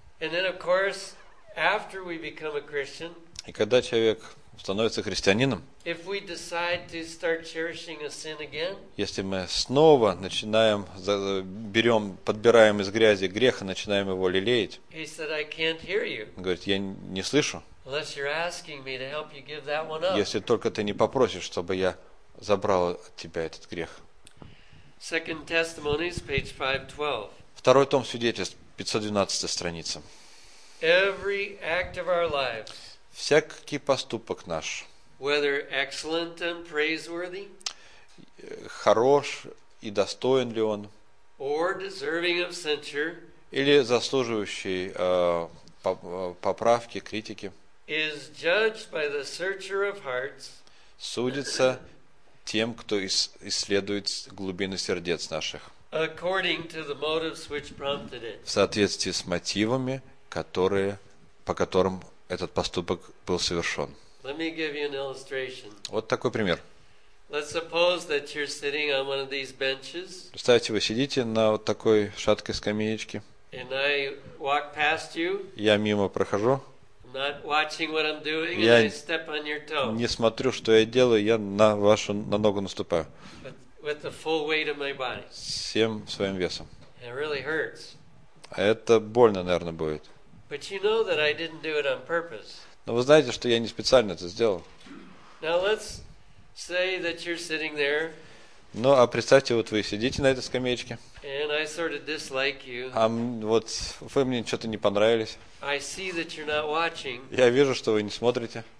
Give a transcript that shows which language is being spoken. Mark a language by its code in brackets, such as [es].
[ru] И тогда, конечно, [en] after we become a Christian, [ru] и когда человек становится христианином, [en] if we decide to start cherishing a sin again, [ru] если мы снова начинаем, берем, подбираем из грязи грех и начинаем его лелеять, [en] he said, I can't hear you, [ru] говорит, я не слышу, [en] unless you're asking me to help you give that one up, [ru] если только ты не попросишь, чтобы я забрал от тебя этот грех. [en] Second Testimonies, page 512. [ru] Второй том свидетельств, 512 страница. [en] Every act of our lives, [ru] всякий поступок наш, [en] whether excellent and praiseworthy, [ru] хорош и достоин ли он, [en] or deserving of censure, [ru] или заслуживающий поправки, критики, [en] is judged by the searcher of hearts, [ru] судится тем, кто исследует глубины сердец наших, [en] according to the motives which prompted it, [ru] в соответствии с мотивами, которые, по которым этот поступок был совершен. [en] Let me give you an illustration. [ru] Вот такой пример. [en] Let's suppose that you're sitting on one of these benches. [ru] Представьте, вы сидите на вот такой шаткой скамеечке. [en] And I walk past you. [ru] Я мимо прохожу. [en] Not watching what I'm doing, [ru] я [en] and I step on your toe. [ru] Не смотрю, что я делаю, я на вашу на ногу наступаю. [en] With the full weight of my body. [ru] Всем своим весом. [en] It really hurts. [ru] Это больно, наверное, будет. [en] But you know that I didn't do it on purpose. [ru] Но вы знаете, что я не специально это сделал. [en] Now let's say that you're sitting there. [ru] Ну, а представьте, вот вы сидите на этой скамеечке. [en] And I sort of dislike you. [ru] А вот вы мне что-то не понравились. [en] I see that you're not watching. [ru] Я вижу, что вы не смотрите.